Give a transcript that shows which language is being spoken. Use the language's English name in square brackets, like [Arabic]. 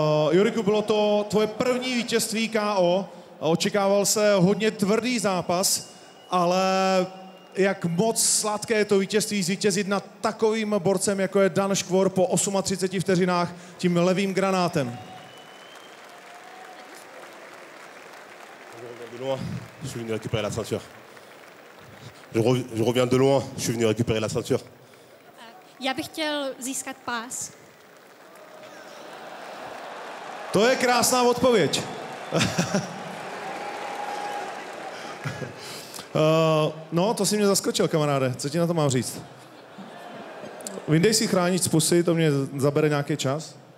[Czech] Juriku, bylo to tvoje první vítězství KO. Očekával se hodně tvrdý zápas, ale jak moc sladké je to vítězství zvítězit nad takovým borcem, jako je Dan Škvor po 38 vteřinách tím levým granátem. [French] Je venu récupérer la ceinture. Je reviens de loin, je suis venu récupérer la ceinture. [Czech] Já bych chtěl získat pás. To je krásná odpověď. No, to si mě zaskočil, kamaráde. Co ti na to mám říct? Vyndej si chránič z pusy, to mě zabere nějaký čas.